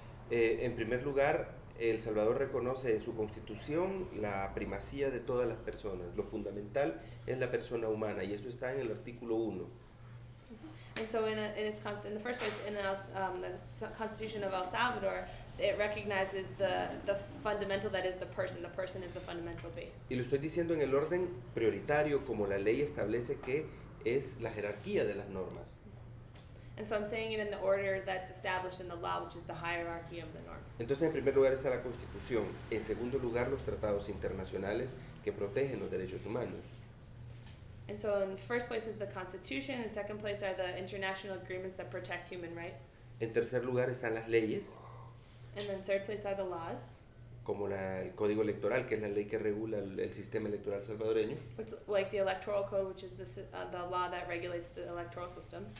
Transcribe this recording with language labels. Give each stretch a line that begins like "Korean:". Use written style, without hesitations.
Spanish: En primer lugar, El Salvador reconoce en su constitución la primacía de todas las personas. Lo fundamental es la persona humana, y eso está en el artículo 1.
English: And so in the first place, in the constitution of El Salvador, it recognizes the fundamental that is the person. The person is the fundamental base.
Spanish: Y lo estoy diciendo en el orden prioritario, como la ley establece que es la jerarquía de las normas.
English: And so I'm saying it in the order that's established in the law, which is the hierarchy of the norms.
Spanish: Entonces, en primer lugar está la Constitución. En segundo lugar, los tratados internacionales que protegen los derechos humanos.
English: And so in first place is the Constitution, and second place are the international agreements that protect human rights.
Spanish: En tercer lugar están las leyes.
English: And then third place are the laws.
Spanish: Como el Código Electoral, que es la ley que regula el sistema electoral salvadoreño.
English: It's like the Electoral Code, which is the law that regulates the electoral system.